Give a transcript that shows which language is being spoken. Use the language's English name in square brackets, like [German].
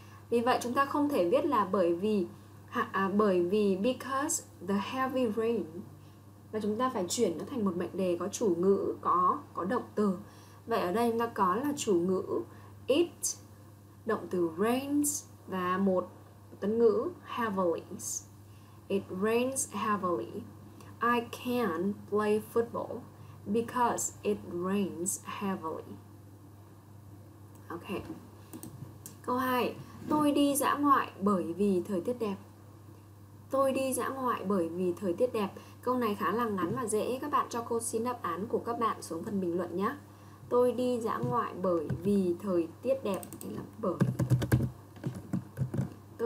[Vietnamese] Vì vậy chúng ta không thể viết là bởi vì [English] because the heavy rain, [Vietnamese] và chúng ta phải chuyển nó thành một mệnh đề có chủ ngữ, có động từ. Vậy ở đây chúng ta có là chủ ngữ it, động từ rains và một tân ngữ heavily. [English] It rains heavily. I can't play football because it rains heavily. [Vietnamese] Ok. Câu 2. Tôi đi dã ngoại bởi vì thời tiết đẹp. Tôi đi dã ngoại bởi vì thời tiết đẹp. Câu này khá là ngắn và dễ. Các bạn cho cô xin đáp án của các bạn xuống phần bình luận nhé. Tôi đi dã ngoại bởi vì thời tiết đẹp. Đây là bởi. Tôi